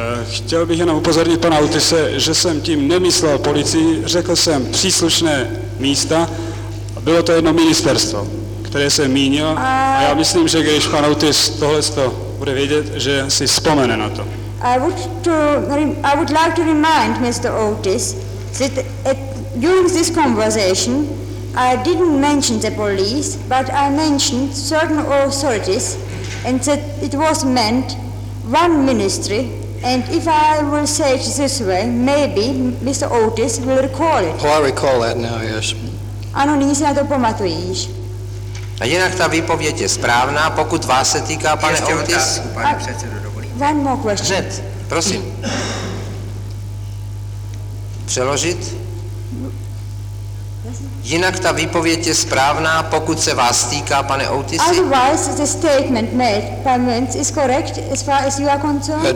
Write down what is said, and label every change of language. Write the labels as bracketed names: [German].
[Czech] Chtěl bych jenom upozornit pana Otise, že jsem tím nemyslel policii, řekl jsem příslušné místa, bylo to jedno ministerstvo, které jsem mínil, a já myslím, že když pan Otis tohleto bude vědět, že si vzpomene na to. [English] I would like to remind Mr. Otis that during this conversation I didn't mention the police, but I mentioned certain authorities, and that it was meant one ministry, and if I will say it this way, maybe Mr. Otis will recall it. Oh, I recall that now, yes. [Czech] Ano, nyní si na to pamatujíš. A jinak ta výpověď je správná, pokud vás se týká, pane Otis? Ještě otázku, pane předsedo, [English] one more question. [Czech] Hned, prosím. Přeložit? Jinak ta výpověď je správná, pokud se vás týká, pane Otisi. [English] Otherwise, the statement made by Mintz is correct as far as you are concerned?